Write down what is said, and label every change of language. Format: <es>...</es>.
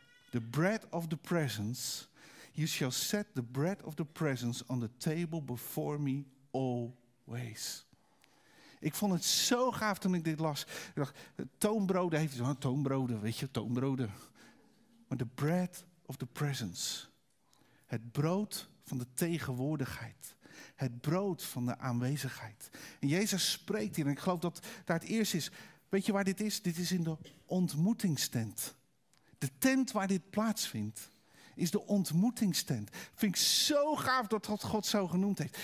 <en>The bread of the presence. You shall set the bread of the presence on the table before me always.</en> <nl>Ik vond het zo gaaf toen ik dit las. Ik dacht, toonbroden heeft zo'n toonbroden, weet je, toonbroden. Maar</nl> <en>the bread of the presence.</en> <nl>Het brood van de tegenwoordigheid. Het brood van de aanwezigheid. En Jezus spreekt hier, en ik geloof dat daar het eerst is. Weet je waar dit is? Dit is in de ontmoetingstent. De tent waar dit plaatsvindt. Is de ontmoetingstent. Vind ik zo gaaf dat God zo genoemd heeft.</nl>